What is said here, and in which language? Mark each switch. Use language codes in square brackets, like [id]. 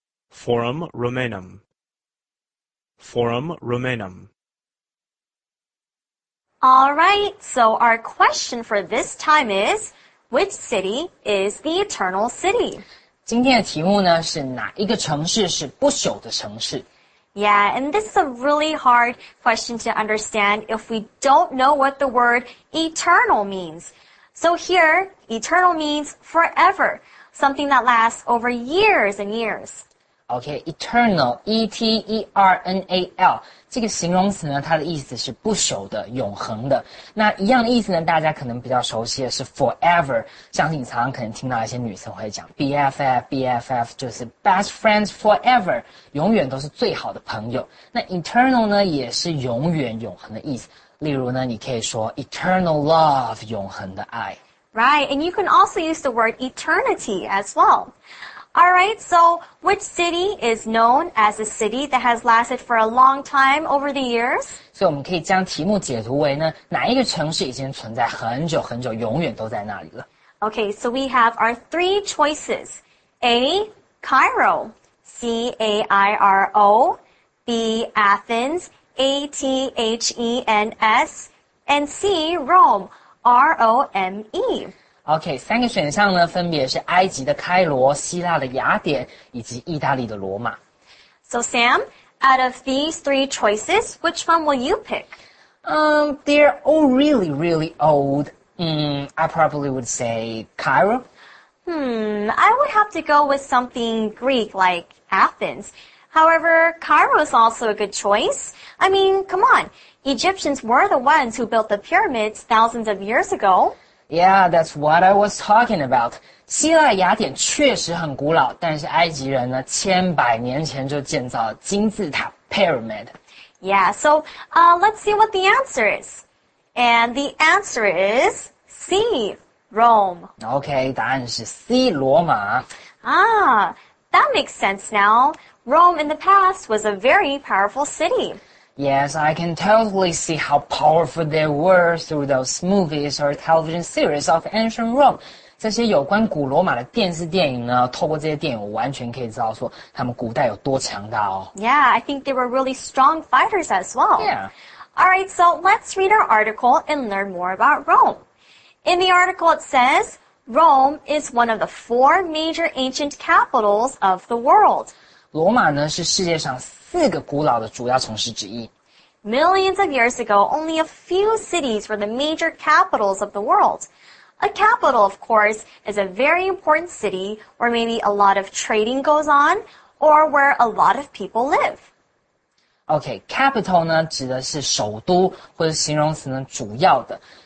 [en] Forum Romanum. Forum Romanum. All right, so our question for this time is, which city is the Eternal City? [zh] 今天的题目呢是哪一个城市是不朽的城市 [en] Yeah, and this is a really hard question to understand if we don't know what the word eternal means. So here, eternal means forever, something that lasts over years and years. [zh] Okay, eternal, E-T-E-R-N-A-L, 这个形容词呢它的意思是不朽的、永恒的。那一样的意思呢大家可能比较熟悉的是 forever, 相信你常常可能听到一些女生会讲 BFF, 就是 [en] best friends forever, [zh] 永远都是最好的朋友。那 eternal 呢也是永远、永恒的意思。例如呢你可以说 [en] eternal love, [zh] 永恒的爱。 [en] Right, and you can also use the word eternity as well. Alright, so which city is known as a city that has lasted for a long time over the years? [zh] 所以我们可以将题目解读为呢，哪一个城市已经存在很久很久，永远都在那里了。 [en] Okay, so we have our three choices. A, Cairo, C-A-I-R-O. B, Athens, A-T-H-E-N-S. And C, Rome, R-O-M-E. [zh] Okay, 三个选项呢分别是埃及的开罗、希腊的雅典以及意大利的罗马。 [en] So Sam, out of these three choices, which one will you pick? They're all really, really old. I probably would say Cairo. I would have to go with something Greek like Athens. However, Cairo is also a good choice. I mean, come on, Egyptians were the ones who built the pyramids thousands of years ago. Yeah, that's what I was talking about. [zh] 希腊雅典确实很古老，但是埃及人呢，千百年前就建造了金字塔 pyramid. [en] Yeah, so, let's see what the answer is. And the answer is C, Rome. [zh] Okay, 答案是 C, 罗马。 [en] Ah, that makes sense now. Rome in the past was a very powerful city. Yes, I can totally see how powerful they were through those movies or television series of ancient Rome. [zh] 这些有关古罗马的电视电影呢，透过这些电影，我完全可以知道说他们古代有多强大哦。 [en] Yeah, I think they were really strong fighters as well. Yeah. All right, so let's read our article and learn more about Rome. In the article, it says, Rome is one of the four major ancient capitals of the world. [zh] 罗马呢是世界上四个古老的主要城市之一。 [en] Millions of years ago, only a few cities were the major capitals of the world. A capital, of course, is a very important city where maybe a lot of trading goes on or where a lot of people live. [zh] Okay, capital 呢指的是首都或者形容词呢主要的。